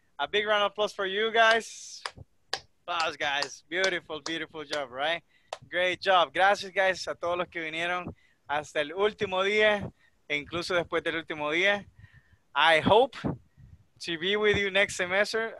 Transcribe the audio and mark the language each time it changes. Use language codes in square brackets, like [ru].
[en] A big round of applause for you guys. Applause, guys. Beautiful, beautiful job, right? Great job. [es] Gracias, guys, a todos los que vinieron hasta el último día, e incluso después del último día. [en] I hope to be with you next semester.